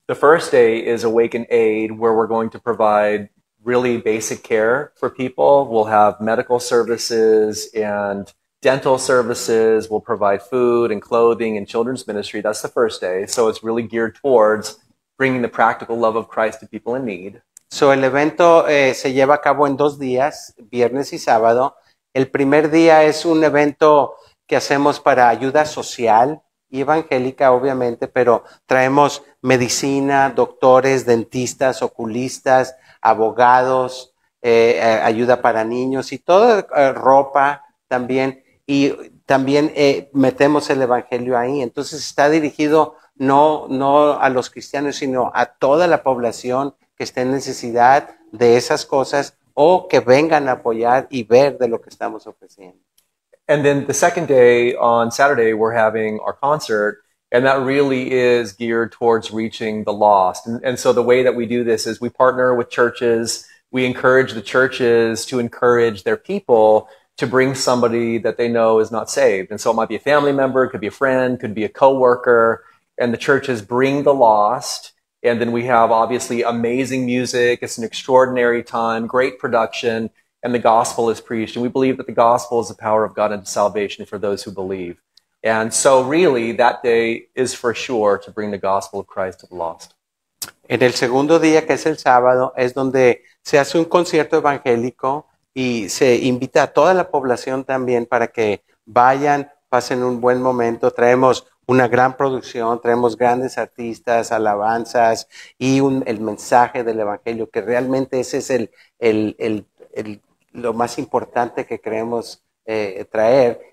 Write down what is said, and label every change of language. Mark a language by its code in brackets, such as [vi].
[en] The first day is Awaken Aid, where we're going to provide really basic care for people. We'll have medical services and dental services, will provide food and clothing and children's ministry. That's the first day. So it's really geared towards bringing the practical love of Christ to people in need. [es] So el evento se lleva a cabo en dos días, viernes y sábado. El primer día es un evento que hacemos para ayuda social y evangélica, obviamente, pero traemos medicina, doctores, dentistas, oculistas, abogados, ayuda para niños y toda ropa también. Y también metemos el evangelio ahí. Entonces está dirigido no a los cristianos, sino a toda la población que esté en necesidad de esas cosas o que vengan a apoyar y ver de lo que estamos ofreciendo. [en] And then the second day, on Saturday, we're having our concert, and that really is geared towards reaching the lost. And so the way that we do this is we partner with churches, we encourage the churches to encourage their people to bring somebody that they know is not saved. And so it might be a family member, it could be a friend, could be a coworker, and the churches bring the lost. And then we have obviously amazing music. It's an extraordinary time, great production, and the gospel is preached. And we believe that the gospel is the power of God unto salvation for those who believe. And so really that day is for sure to bring the gospel of Christ to the lost. [es] En el segundo día, que es el sábado, es donde se hace un concierto evangélico. Y se invita a toda la población también para que vayan, pasen un buen momento. Traemos una gran producción, traemos grandes artistas, alabanzas y el mensaje del evangelio, que realmente ese es lo más importante que creemos traer.